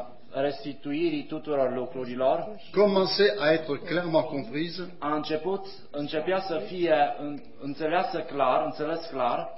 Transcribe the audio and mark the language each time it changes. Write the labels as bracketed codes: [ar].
[ro] restituirii tuturor lucrurilor, [fr] commencé à être clairement comprise, [ro] a început, începea să fie înțeleasă clar, înțeles clar,